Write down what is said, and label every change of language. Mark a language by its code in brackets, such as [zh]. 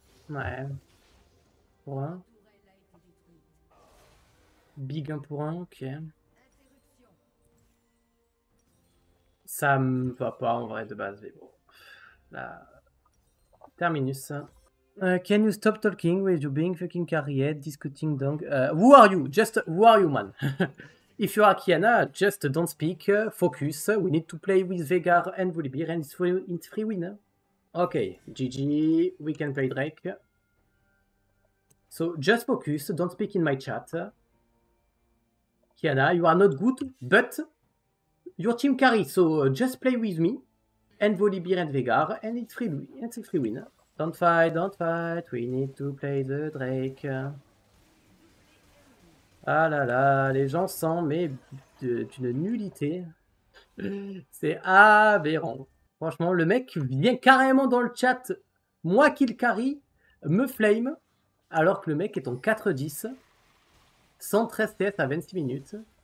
[fr] Ouais. Pour un. Big 1 pour 1, ok. Ça me va pas en vrai de base, mais bon. Là. Terminus. [en] Can you stop talking with you being fucking carried, discussing dong? Who are you? Just who are you, man? If you are Kiana, just don't speak. Focus. We need to play with Veigar and Volibear and it's free win. Ok, GG, we can play Drake. So, just focus, don't speak in my chat. Kiana, you are not good, but your team carry, so just play with me. And Volibear and Veigar, and it's a free win. Don't fight, we need to play the Drake. [fr] Ah là là, les gens sont, mais d'une nullité. C'est aberrant. Franchement, le mec vient carrément dans le chat, moi qui le carry, me flame, alors que le mec est en 4-10, 113 TS à 26 minutes.